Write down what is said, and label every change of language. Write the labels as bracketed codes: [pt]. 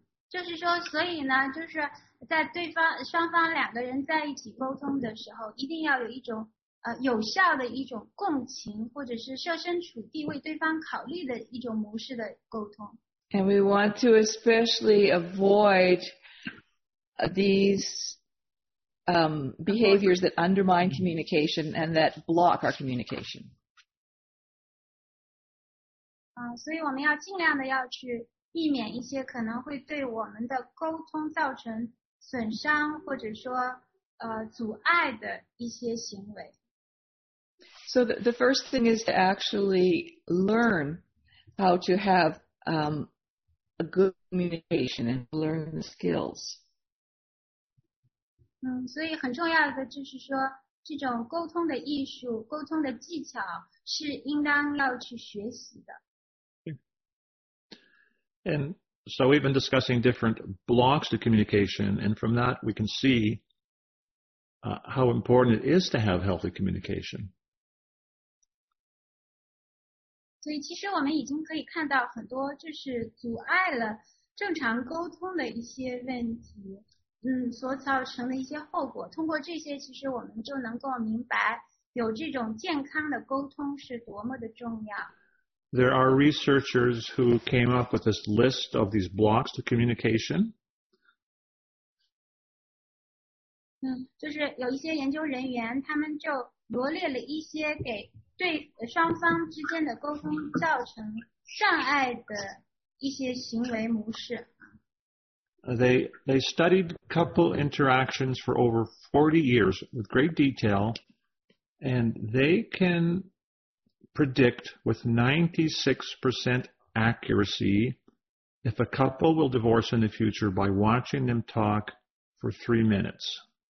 [zh] 就是说，所以呢，就是在对方双方两个人在一起沟通的时候，一定要有一种有效的一种共情，或者是设身处地为对方考虑的一种模式的沟通。 [en] And we want to especially avoid these behaviors that undermine communication and that block our communication. [zh] 所以我们要尽量的要去。避免一些可能会对我们的沟通造成损伤或者说阻碍的一些行为。 [en] So the first thing is to actually learn how to have a good communication and learn the skills. [zh] 所以很重要的就是说，这种沟通的艺术、沟通的技巧是应当要去学习的。 [en] And so we've been discussing different blocks to communication, and from that we can see how important it is to have healthy communication. [zh] 所以其实我们已经可以看到很多就是阻碍了正常沟通的一些问题，所造成的一些后果。通过这些，其实我们就能够明白有这种健康的沟通是多么的重要。 [en] There are researchers who came up with this list of these blocks to communication. [zh] 就是有一些研究人员，他们就罗列了一些给对双方之间的沟通造成障碍的一些行为模式。 [en] They studied couple interactions for over 40 years with great detail, and they canPredict with 96% accuracy if a couple will divorce in the future by watching them talk for 3 minutes.